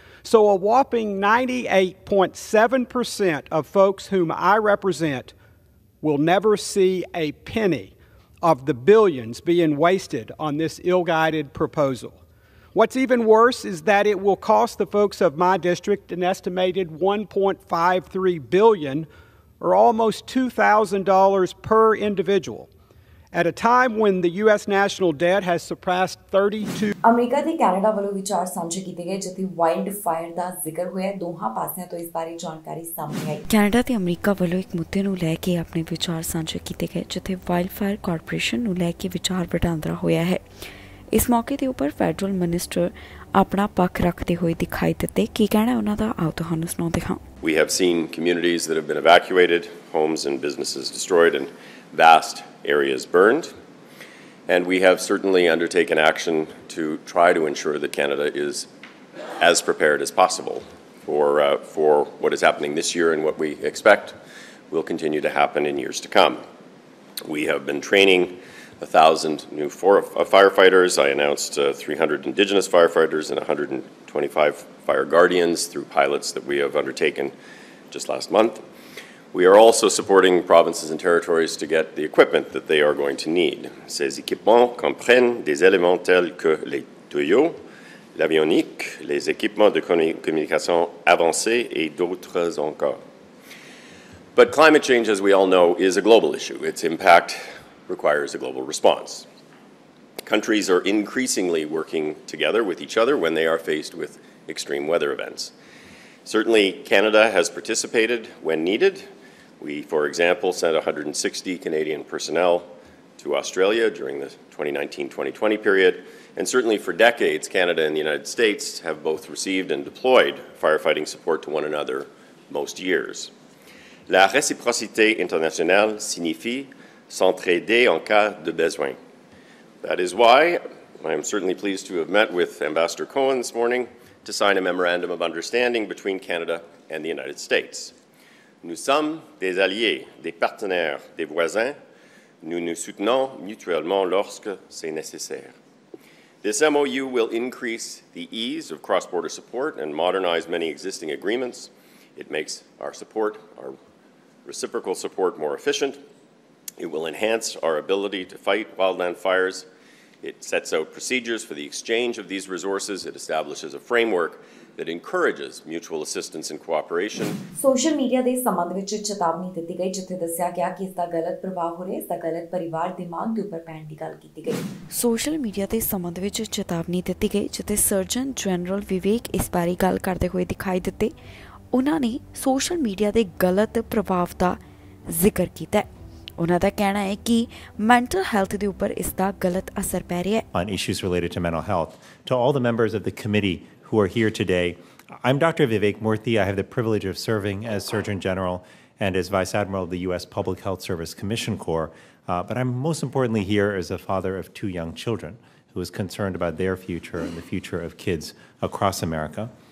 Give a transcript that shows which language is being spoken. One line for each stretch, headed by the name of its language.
English: So a whopping 98.7% of folks whom I represent will never see a penny of the billions being wasted on this ill-guided proposal. What's even worse is that it will cost the folks of my district an estimated $1.53 billion, or almost $2,000 per individual. At a time when the U.S. national debt has surpassed 32...
Punjabi: America ਤੇ Canada ਵੱਲੋਂ ਵਿਚਾਰ ਸਾਂਝੇ ਕੀਤੇ ਗਏ ਜਿੱਥੇ wild fire ਦਾ ਜ਼ਿਕਰ ਹੋਇਆ ਦੋਹਾਂ ਪਾਸਿਆਂ ਤੋਂ ਇਸ ਬਾਰੇ ਜਾਣਕਾਰੀ ਸਾਹਮਣੇ ਆਈ ਕੈਨੇਡਾ ਤੇ ਅਮਰੀਕਾ ਵੱਲੋਂ ਇੱਕ ਮੁੱਦੇ ਨੂੰ ਲੈ ਕੇ ਆਪਣੇ ਵਿਚਾਰ ਸਾਂਝੇ ਕੀਤੇ ਗਏ ਜਿੱਥੇ ਵਾਈਲਡ ਫਾਇਰ ਕਾਰਪੋਰੇਸ਼ਨ ਨੂੰ ਲੈ ਕੇ ਵਿਚਾਰ ਵਟਾਂਦਰਾ ਹੋਇਆ ਹੈ ਇਸ ਮੌਕੇ ਦੇ ਉੱਪਰ ਫੈਡਰਲ ਮਿਨਿਸਟਰ ਆਪਣਾ ਪੱਖ ਰੱਖਦੇ ਹੋਏ ਦਿਖਾਈ ਦਿੱਤੇ ਕੀ ਕਹਿਣਾ ਉਹਨਾਂ ਦਾ ਆਓ ਤੁਹਾਨੂੰ ਸੁਣਾਉਂਦੇ ਹਾਂ
English: We have seen communities that have been evacuated homes and businesses destroyed and vast areas burned And we have certainly undertaken action to try to ensure that Canada is as prepared as possible for what is happening this year and what we expect will continue to happen in years to come. We have been training 1,000 new firefighters. I announced 300 Indigenous firefighters and 125 fire guardians through pilots that we have undertaken just last month. We are also supporting provinces and territories to get the equipment that they are going to need.
French: Ces équipements comprennent des éléments tels que les tuyaux, l'avionique, les équipements de communication avancés et d'autres encore.
English: But climate change, as we all know, is a global issue. Its impact requires a global response. Countries are increasingly working together with each other when they are faced with extreme weather events. Certainly, Canada has participated when needed. We, for example, sent 160 Canadian personnel to Australia during the 2019-2020 period. And certainly for decades, Canada and the United States have both received and deployed firefighting support to one another most years.
French: La réciprocité internationale signifie s'entraider en cas de besoin.
English: That is why I am certainly pleased to have met with Ambassador Cohen this morning to sign a memorandum of understanding between Canada and the United States.
French: Nous sommes des alliés, des partenaires, des voisins. Nous nous soutenons mutuellement lorsque c'est nécessaire.
English: This MOU will increase the ease of cross-border support and modernize many existing agreements. It makes our support, our reciprocal support, more efficient. It will enhance our ability to fight wildland fires. It sets out procedures for the exchange of these resources. It establishes a framework that encourages mutual assistance and cooperation.
Punjabi: Social media ਦੇ ਸੰਬੰਧ ਵਿੱਚ ਚੇਤਾਵਨੀ ਦਿੱਤੀ ਗਈ ਜਿੱਥੇ ਦੱਸਿਆ ਗਿਆ ਕਿ ਇਸ ਦਾ ਗਲਤ ਪ੍ਰਭਾਵ ਹੋ ਰਿਹਾ ਇਸ ਦਾ ਗਲਤ ਪਰਿਵਾਰ ਦਿਮਾਗ ਦੇ ਉੱਪਰ ਪੈਣ ਦੀ ਗੱਲ ਕੀਤੀ ਗਈ। Social media ਦੇ ਸੰਬੰਧ ਵਿੱਚ ਚੇਤਾਵਨੀ ਦਿੱਤੀ ਗਈ ਜਿੱਥੇ ਸਰਜਨ ਜਨਰਲ ਵਿਵੇਕ ਇਸ ਬਾਰੇ ਗੱਲ ਕਰਦੇ ਹੋਏ ਦਿਖਾਈ ਦਿੱਤੇ। ਉਹਨਾਂ ਨੇ social media ਦੇ ਗਲਤ ਪ੍ਰਭਾਵ ਦਾ ਜ਼ਿਕਰ ਕੀਤਾ। ਉਹਨਾਂ ਦਾ ਕਹਿਣਾ ਹੈ ਕਿ mental health ਦੇ ਉੱਪਰ ਇਸ ਦਾ ਗਲਤ ਅਸਰ ਪੈ ਰਿਹਾ ਹੈ।
English: On issues related to mental health, to all the members of the committee who are here today, I'm Dr. Vivek Murthy. I have the privilege of serving as Surgeon General and as Vice Admiral of the U.S. Public Health Service Commission Corps. But I'm most importantly here as a father of two young children who is concerned about their future and the future of kids across America.